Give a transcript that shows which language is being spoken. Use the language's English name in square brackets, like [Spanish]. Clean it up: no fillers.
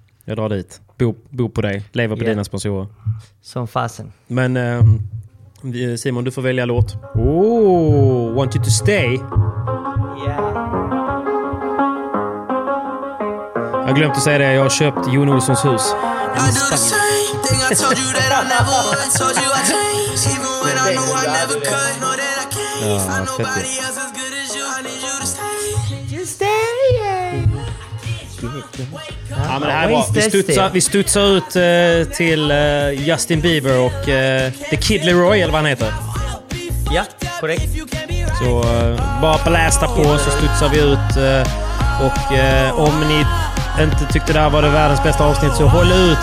[Swedish] Jag drar dit. Bo på dig. Leva på dina sponsorer. Som fasen. Men Simon, du får välja låt. [English] Oh, Want You To Stay. Yeah. [Swedish] Jag har glömt att säga det. Jag har köpt Jon Olssons hus. [English] I do the same thing I told you that I never would. I told you I changed. Even when I know I never could. Know that I can't find nobody else as good as you. I need you to stay. You stay. [Swedish] Ja, men det här var, vi studsar ut till Justin Bieber och The Kid Leroy, eller vad han heter. Ja, korrekt. Så bara blästa på så studsar vi ut. Och om ni inte tyckte det här var det världens bästa avsnitt så håll ut.